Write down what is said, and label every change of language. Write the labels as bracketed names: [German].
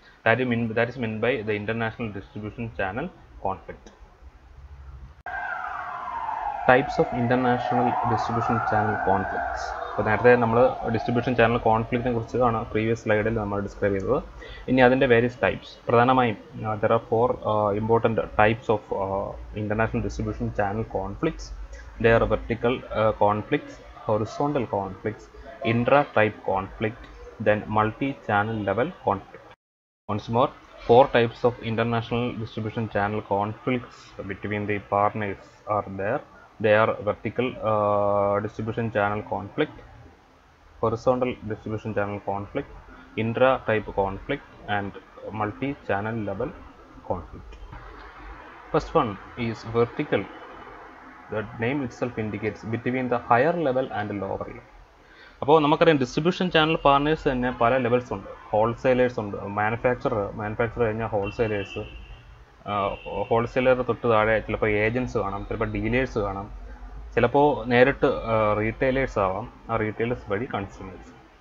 [English] That is meant by the international distribution channel conflict. Types of international distribution channel conflicts. [Malayalam] അപ്പോൾ നേരത്തെ നമ്മൾ distribution channel കോൺഫ്ലിക്റ്റിനെ കുറിച്ചാണ് previous സ്ലൈഡിൽ നമ്മൾ ഡിസ്ക്രൈബ് ചെയ്തത്. ഇനി അതിൻ്റെ [English] Various types, പ്രധാനമായും there are four important types of international distribution channel conflicts. There are vertical conflicts, horizontal conflicts, intra type conflict, then multi channel level conflict. Once more, four types of international distribution channel conflicts between the partners are there. They are vertical distribution channel conflict, horizontal distribution channel conflict, intra type conflict and multi channel level conflict. First one is vertical. The name itself indicates between the higher level and lower level. [Malayalam] അപ്പോൾ നമുക്കറിയാം distribution channel partners തന്നെ പല levels ഉണ്ട്. Wholesalers ഉണ്ട്, manufacturer കഴിഞ്ഞാൽ wholesalers, ഹോൾസെയിലറുടെ തൊട്ട് താഴെ ചിലപ്പോൾ ഏജൻറ്സ് കാണാം, ചിലപ്പോൾ ഡീലേഴ്സ് കാണാം, ചിലപ്പോൾ നേരിട്ട് റീറ്റെയിലേഴ്സ് ആവാം, ആ റീറ്റെയിലേഴ്സ് വഴി കൺസ്യൂമേഴ്സ്.